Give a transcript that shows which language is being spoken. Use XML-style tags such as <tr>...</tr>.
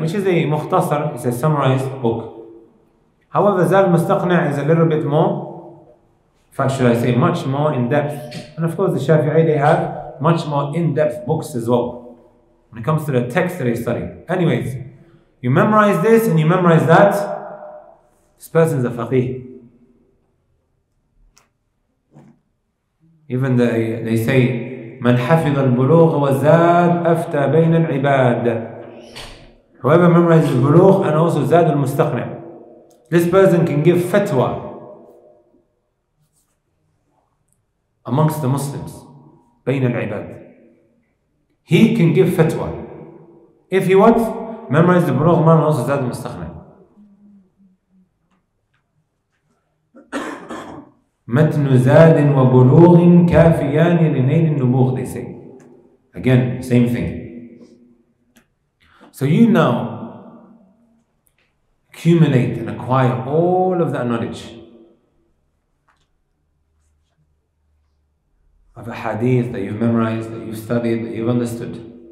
<en>Which is a mukhtasar, it's a summarized book. However, Zad al-Mustaqni' is a little bit more, in fact, should I say, much more in depth. And of course, the Shafi'i, they have much more in depth books as well when it comes to the text that they study. Anyways, you memorize this and you memorize that, this person is a faqih. Even they say,</en> <ar>من حفظ البلوغ وزاد أفتى بين العباد.</ar> <en>Whoever memorizes البلوغ and also زاد المستقنع, this person can give fatwa amongst the Muslims.</en> <ar>بين العباد.</ar> <en>He can give fatwa. If he what? Memorize the Bulugh al-Maram and also Zad al-Mustaqni'.</en> <ar>متن زاد وبلوغ كافيان لنيل النبوغ,</ar> <en>they say. Again, same thing. So you now accumulate and acquire all of that knowledge of a hadith that you've memorized, that you've studied, that you've understood.</en>